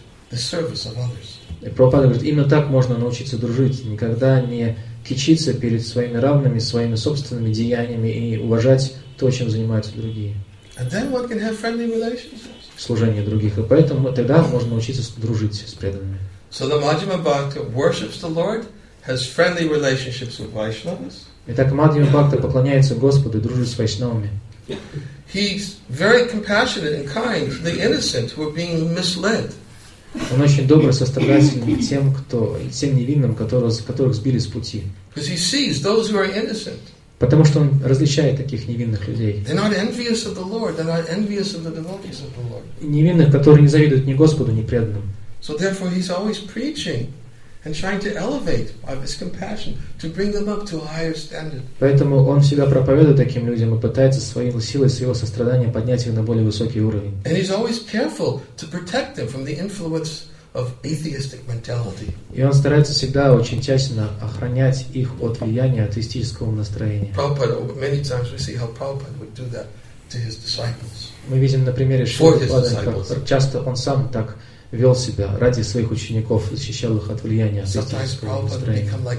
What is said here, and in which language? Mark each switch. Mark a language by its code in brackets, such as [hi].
[ru] И Прабхупада говорит, именно так можно научиться дружить. Никогда не кичиться перед своими равными, своими собственными деяниями и уважать то, чем занимаются другие. [en] And then one can have friendly relations. [ru] Служение других. И поэтому тогда можно научиться дружить с преданными. [en] So the Madhyama Bhakta worships the Lord, has friendly relationships with Vaishnavas. [ru] Итак, Мадхьяма Бхакта поклоняется Господу, дружит с Вайшнавами. [en] He's very compassionate and kind to the innocent who are being misled. [ru] Он очень добрый, сострадательный к тем, кто, тем невинным, которых сбили с пути. [en] Because he sees those who are innocent. [ru] Потому что он различает таких невинных людей. [en] They're not envious of the Lord. They're not envious of the devotees of the Lord. [ru] Невинных, которые не завидуют ни Господу, ни преданным. [en] So therefore, he's always preaching and trying to elevate by his compassion to bring them up to a higher standard. [ru] Поэтому он всегда проповедует таким людям и пытается своей силой, своего сострадания поднять их на более высокий уровень. [en] And he's always careful to protect them from the influence of atheistic mentality. [ru] И он старается всегда очень тщательно охранять их от влияния атеистического настроения. [en] Prabhupada, many times we see how Prabhupada would do that to his disciples. [ru] Мы видим на примере Шрилы, как часто он сам так вел себя ради своих учеников, защищал их от влияния атеистического настроения.